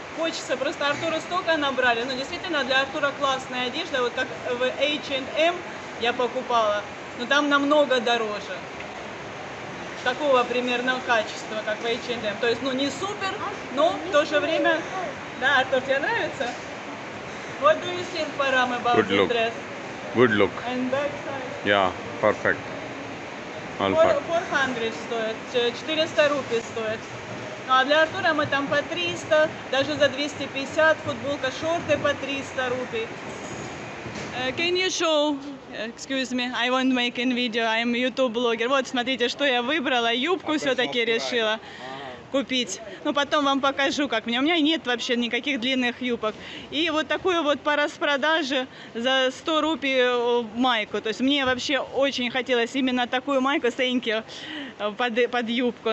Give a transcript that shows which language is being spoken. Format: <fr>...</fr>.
<ru>Хочется, просто Артуру столько набрали. Но действительно, для Артура классная одежда. Вот как в H&M я покупала. Но там намного дороже. Такого примерного качества, как в H&M. То есть, ну, не супер, но в то же время... Да, Артур, тебе нравится?</ru> <en>What do you think, Парам, about the dress? Good look. And backside? Yeah, perfect.</en> <ru>400 стоит. 400 рупий стоит. Ну, а для Артура мы там по 300, даже за 250, футболка, шорты по 300 рупий.</ru> <en>Can you show? Excuse me, I won't make in video, I'm YouTube blogger.</en> <ru>Вот, смотрите, что я выбрала, юбку все-таки решила купить. Ну, потом вам покажу, как мне. У меня нет вообще никаких длинных юбок. И вот такую вот по распродаже за 100 рупий майку. То есть мне вообще очень хотелось именно такую майку,</ru> <en>thank you,</en> <ru>под юбку.</ru>